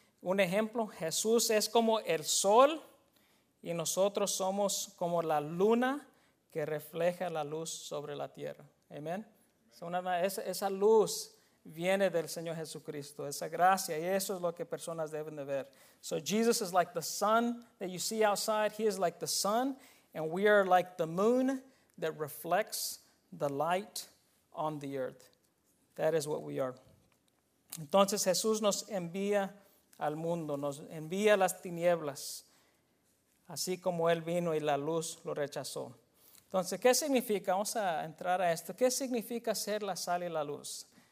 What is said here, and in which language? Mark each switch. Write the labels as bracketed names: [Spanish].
[Spanish] Un ejemplo, Jesús es como el sol y nosotros somos como la luna que refleja la luz sobre la tierra. Amén. Esa luz viene del Señor Jesucristo, esa gracia, y eso es lo que personas deben de ver. [English] So Jesus is like the sun that you see outside. He is like the sun, and we are like the moon that reflects the light on the earth. That is what we are. [Spanish] Entonces Jesús nos envía al mundo, nos envía las tinieblas, así como él vino y la luz lo rechazó. Entonces, ¿qué significa? Vamos a entrar a esto. ¿Qué significa ser la sal y la luz?